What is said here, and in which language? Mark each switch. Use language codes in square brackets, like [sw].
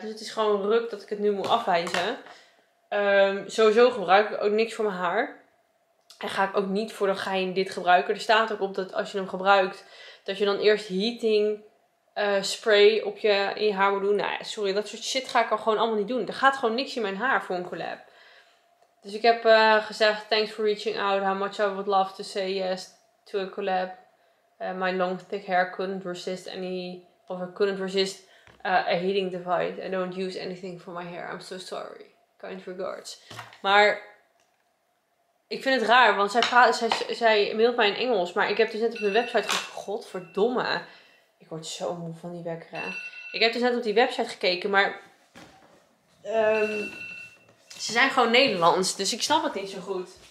[nl] Dus het is gewoon ruk dat ik het nu moet afwijzen. Sowieso gebruik ik ook niks voor mijn haar. En ga ik ook niet voor de gein dit gebruiken. Er staat ook op dat als je hem gebruikt, dat je dan eerst heating... spray op je in je haar moet doen. Nou ja, sorry, dat soort shit ga ik al gewoon allemaal niet doen. Er gaat gewoon niks in mijn haar voor een collab. Dus ik heb gezegd, [en] thanks for reaching out. How much I would love to say yes to a collab. My long thick hair couldn't resist any... of I couldn't resist a heating device. I don't use anything for my hair. I'm so sorry. Kind regards. [nl] Maar ik vind het raar, want zij mailt mij in Engels. Maar ik heb dus net op de website gezegd, godverdomme... ik word zo moe van die wekker. Ik heb dus net op die website gekeken, maar ze zijn gewoon Nederlands, dus ik snap het niet zo goed.